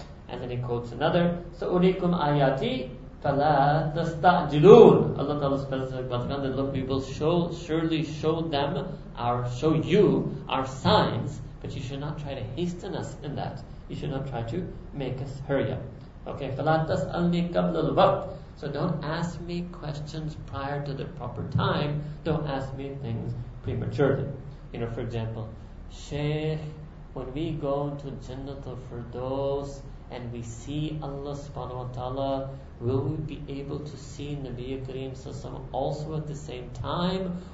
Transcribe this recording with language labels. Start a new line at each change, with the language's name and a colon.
English: And then he quotes another,
Arabic: سَأُرِيكُمْ آيَاتِي فَلَا تَسْتَعْجِلُونَ.
English: Allah Ta'ala says, look, we will show you our signs, but you should not try to hasten us in that. You should not try to make us hurry up. Okay,
Arabic: فَلَا تَسْأَلْنِي قَبْلَ الْوَقْتِ.
English: So don't ask me questions prior to the proper time. Don't ask me things prematurely. You know, for example, Shaykh, when we go to Jannat al-Firdaus and we see Allah subhanahu wa ta'ala, will we be able to see Nabi Kareem sallallahu alayhi wa sallam also at the same time?